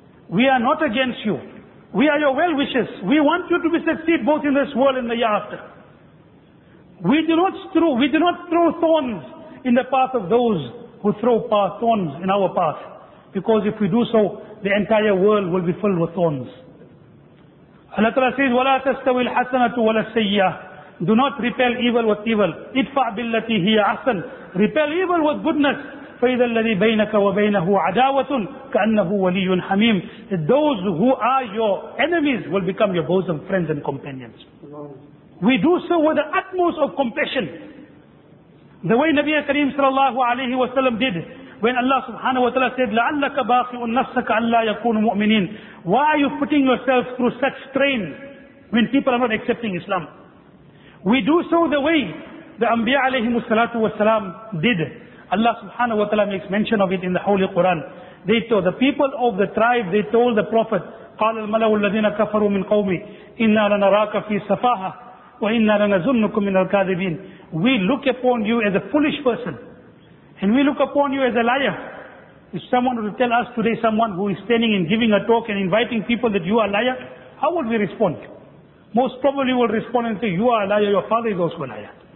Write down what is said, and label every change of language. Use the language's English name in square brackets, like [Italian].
[English] We are not against you. We are your well wishers. We want you to be succeed both in this world and the hereafter. We do not throw thorns in the path of those who throw thorns in our path. Because if we do so, the entire world will be filled with thorns. Allah Ta'ala says, [Arabic] وَلَا تَسْتَوِي الْحَسَنَةُ وَلَا السَّيِّئَةُ. [English] Do not repel evil with evil. [Arabic] اِدْفَعْ بِالَّتِي هِيَ أَحْسَنُ. [English] Repel evil with goodness. [Arabic] فَإِذَا الَّذِي بَيْنَكَ وَبَيْنَهُ عَدَاوَةٌ كَأَنَّهُ وَلِيٌّ حَمِيمٌ. [English] Those who are your enemies will become your bosom friends and companions. We do so with the utmost of compassion. The way Nabi Kareem sallallahu alayhi wa sallam did, when Allah subhanahu wa ta'ala said, [Arabic] لَعَلَّكَ بَاخِئٌ نَفْسَكَ أَلَّا يَكُونُ مُؤْمِنِينَ. [English] Why are you putting yourself through such strain when people are not accepting Islam? We do so the way the Anbiya alayhi salatu wa salam did. Allah subhanahu wa ta'ala makes mention of it in the Holy Quran. They told the people of the tribe, they told the Prophet, [Arabic] قَالَ الْمَلَوُ الَّذِينَ كَفَرُوا مِنْ قَوْمِ إِنَّا لَنَرَاكَ فِي سَفَاهَةَ وَإِنَّا لَنَزُنُّكُمْ مِنَ الْكَاذِبِينَ. [English] We look upon you as a foolish person. And we look upon you as a liar. If someone will tell us today, someone who is standing and giving a talk and inviting people that you are a liar, how would we respond? Most probably we will respond and say, you are a liar, your father is also a liar.